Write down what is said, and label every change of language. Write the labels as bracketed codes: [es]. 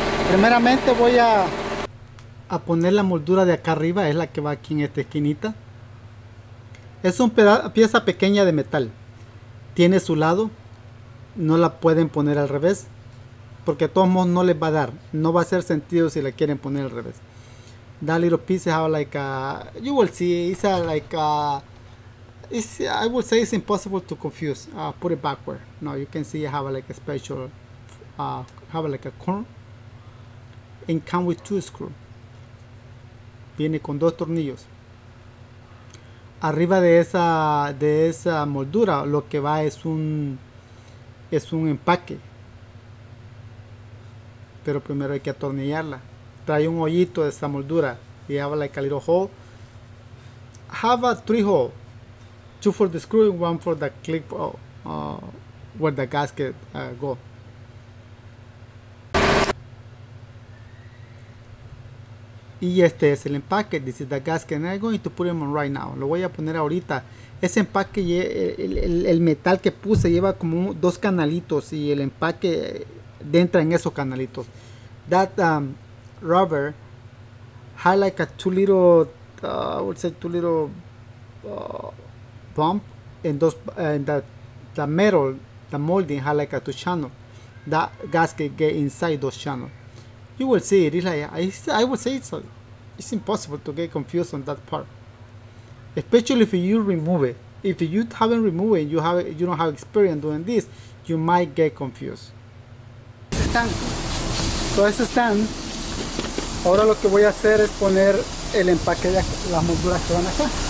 [es] Primeramente voy a poner la moldura de acá arriba. Es la que va aquí en esta esquinita. Es una pieza pequeña de metal. Tiene su lado. No la pueden poner al revés. Porque a todos modos no les va a dar. No va a hacer sentido si la quieren poner al revés. [en] Da little pieces. You will see. It's like a... It's, I would say it's impossible to confuse. Put it backward. Now you can see I have like a special, have like a corn. And come with two screws. [es] Viene con dos tornillos. Arriba de esa moldura, lo que va es un empaque. Pero primero hay que atornillarla. Trae un hoyito de esa moldura. [en] You have like a little hole. Have a three hole. Two for the screw, one for the clip where the gasket go. [es] Y este es el empaque. [en] This is the gasket. And I'm going to put them on right now. [es] Lo voy a poner ahorita. Ese empaque, el metal que puse lleva como dos canalitos y el empaque entra en esos canalitos. [en] That rubber had like a two little, I would say two little bump, and those and the metal, the molding had like a two channel. That gasket get inside those channels. You will see it. It's like, I would say it's a, it's impossible to get confused on that part, especially if you remove it. If you haven't removed it, you have you don't have experience doing this, you might get confused. Stand. So this stand. [es] Ahora lo que voy a hacer es poner el empaque de las molduras que van acá.